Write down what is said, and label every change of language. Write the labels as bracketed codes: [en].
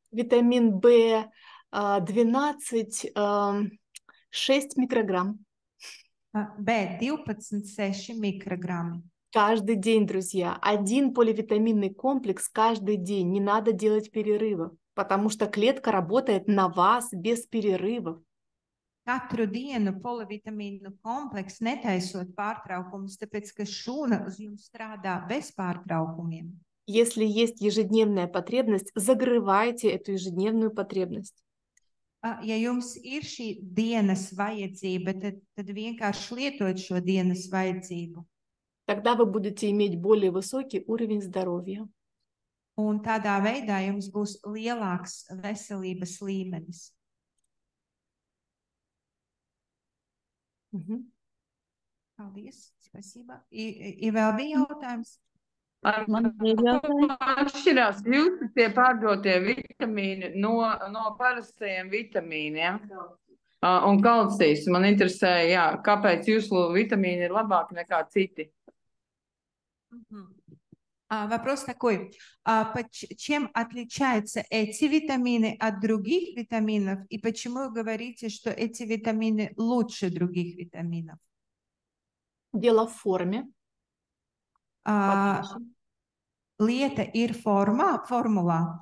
[ru] Витамин В 12, 6 микрограмм. Б 12, 6 микрограммы. Каждый день, друзья, один поливитаминный комплекс каждый день. Не надо делать перерывов, потому что клетка работает на вас без перерывов. [lv] Katru dienu polivitamīnu kompleks netaisot pārtraukumus, tāpēc ka šūna uz jums strādā bez pārtraukumiem. [ru] Если есть ежедневная потребность, закрывайте эту ежедневную потребность. [lv] Ja jums ir šī dienas vajadzība, tad vienkārši lietot šo dienas vajadzību. [ru] Тогда вы будете иметь более высокий уровень здоровья. [lv] Un tādā veidā jums būs lielāks veselības līmenis. Mm-hmm. Paldies, spasībā. Ir vēl bija jautājums? Atšķirās jūsu tie pārdotie vitamīni no parastajiem vitamīniem un kalcijas. Man interesē, jā, kāpēc jūsu vitamīni ir labāki nekā citi? [ru] Вопрос такой, чем отличаются эти витамины от других витаминов и почему вы говорите, что эти витамины лучше других витаминов? Дело в форме. [lv] Лето ир форма, формула.